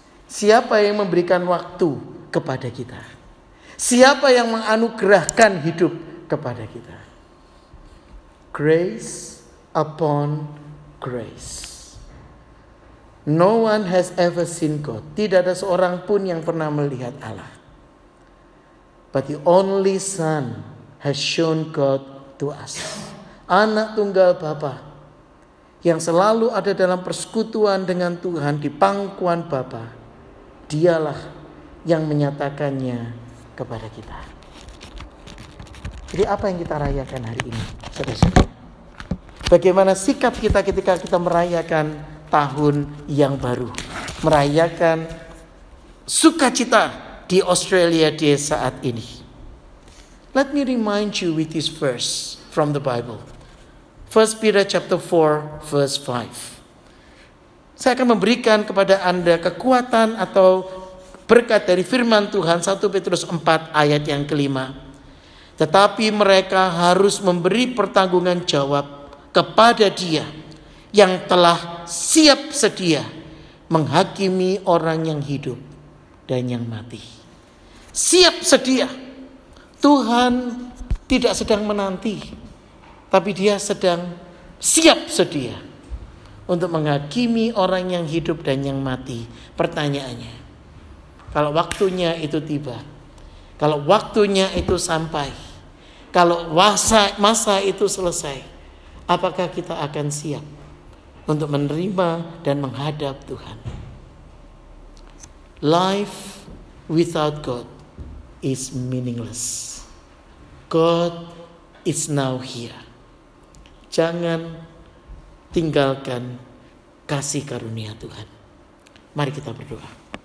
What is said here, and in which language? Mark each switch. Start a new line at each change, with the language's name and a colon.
Indonesian: Siapa yang memberikan waktu kepada kita? Siapa yang menganugerahkan hidup kepada kita?
English: Grace upon grace. No one has ever seen God.
Indonesian: Tidak ada seorang pun yang pernah melihat Allah.
English: But the only Son has shown God to us.
Indonesian: Anak tunggal Bapa yang selalu ada dalam persekutuan dengan Tuhan di pangkuan Bapa, dialah yang menyatakannya kepada kita. Jadi apa yang kita rayakan hari ini? Bagaimana sikap kita ketika kita merayakan tahun yang baru? Merayakan sukacita di Australia di saat ini.
English: Let me remind you with this verse from the Bible. 1 Peter chapter 4 verse 5.
Indonesian: Saya akan memberikan kepada Anda kekuatan atau berkat dari firman Tuhan, 1 Petrus 4 ayat yang kelima. Tetapi mereka harus memberi pertanggungan jawab kepada Dia yang telah siap sedia menghakimi orang yang hidup dan yang mati. Siap sedia. Tuhan tidak sedang menanti, tapi Dia sedang siap sedia untuk menghakimi orang yang hidup dan yang mati. Pertanyaannya, kalau waktunya itu tiba, kalau waktunya itu sampai, kalau masa itu selesai, apakah kita akan siap untuk menerima dan menghadap Tuhan?
English: Life without God is meaningless. God is now here.
Indonesian: Jangan tinggalkan kasih karunia Tuhan. Mari kita berdoa.